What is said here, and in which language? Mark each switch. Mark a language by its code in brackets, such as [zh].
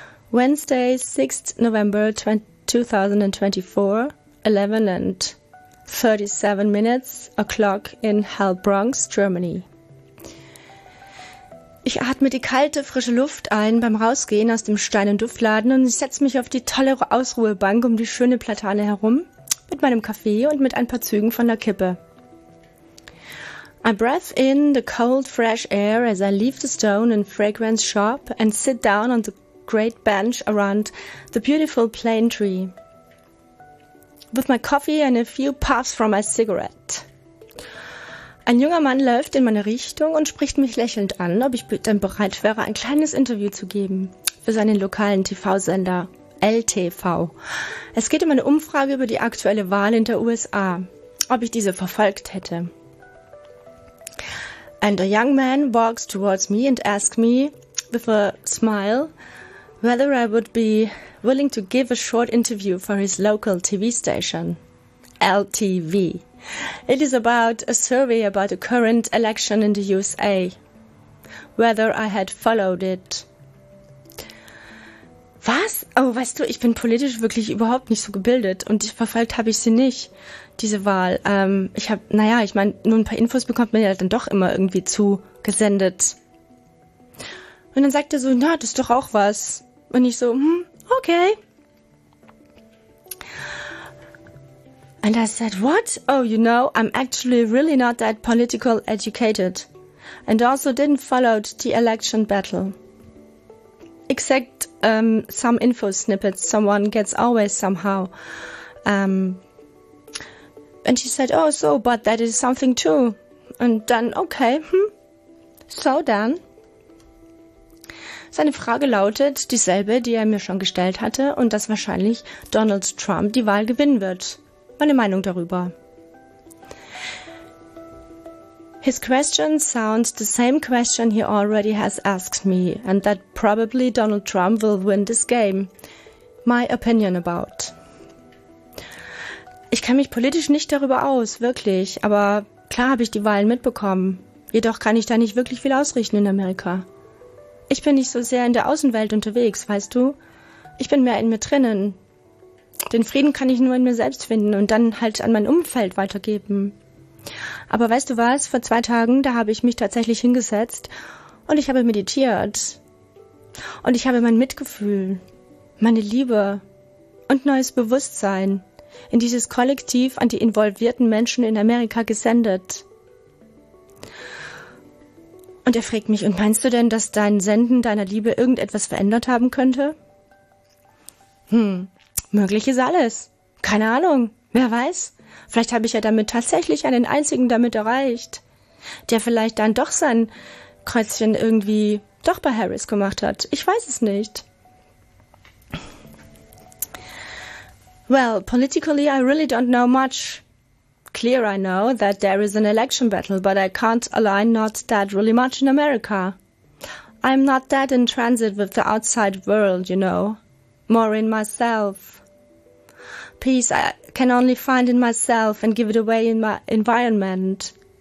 [en] Wednesday, 6th November 2024, 11 and 37 minutes o'clock in Heilbronn, Germany. [de] Ich atme die kalte, frische Luft ein beim Rausgehen aus dem Stein- und Duftladen und ich setze mich auf die tolle Ausruhebank um die schöne Platane herum mit meinem Kaffee und mit ein paar Zügen von der Kippe. [en] I breath in the cold, fresh air as I leave the stone and fragrance shop and sit down on the great bench around the beautiful plane tree with my coffee and a few puffs from my cigarette. [de] Ein junger Mann läuft in meine Richtung und spricht mich lächelnd an, ob ich denn bereit wäre, ein kleines Interview zu geben für seinen lokalen TV-Sender LTV. Es geht um eine Umfrage über die aktuelle Wahl in der USA, ob ich diese verfolgt hätte. [en] And a young man walks towards me and asks me with a smile whether I would be willing to give a short interview for his local TV station, LTV. It is about a survey about the current election in the USA, whether I had followed it. [de] Was? Oh, weißt du, ich bin politisch wirklich überhaupt nicht so gebildet und verfolgt habe ich sie nicht, diese Wahl. Ich meine, nur ein paar Infos bekommt man ja dann doch immer irgendwie zugesendet. Und dann sagt er so, na, das ist doch auch was. Und ich so, okay. [en] And I said, what? Oh, you know, I'm actually really not that political educated. And also didn't follow the election battle. Except some info snippets someone gets always somehow. And she said, oh, so, but that is something too. And then, okay, So then. [de] Seine Frage lautet dieselbe, die er mir schon gestellt hatte und dass wahrscheinlich Donald Trump die Wahl gewinnen wird. Meine Meinung darüber. [en] His question sounds the same question he already has asked me and that probably Donald Trump will win this game. My opinion about. [de] Ich kenne mich politisch nicht darüber aus, wirklich, aber klar habe ich die Wahlen mitbekommen. Jedoch kann ich da nicht wirklich viel ausrichten in Amerika. Ich bin nicht so sehr in der Außenwelt unterwegs, weißt du? Ich bin mehr in mir drinnen. Den Frieden kann ich nur in mir selbst finden und dann halt an mein Umfeld weitergeben. Aber weißt du was? Vor 2 Tagen, da habe ich mich tatsächlich hingesetzt und ich habe meditiert. Und ich habe mein Mitgefühl, meine Liebe und neues Bewusstsein in dieses Kollektiv an die involvierten Menschen in Amerika gesendet. Und er fragt mich, und meinst du denn, dass dein Senden deiner Liebe irgendetwas verändert haben könnte? Möglich ist alles. Keine Ahnung. Wer weiß? Vielleicht habe ich ja damit tatsächlich einen einzigen damit erreicht, der vielleicht dann doch sein Kreuzchen irgendwie doch bei Harris gemacht hat. Ich weiß es nicht. [en] Well, politically, I really don't know much. Clear, I know that there is an election battle, but I can't align not that really much in America. I'm not that in transit with the outside world, you know. More in myself. Peace I can only find in myself and give it away in my environment.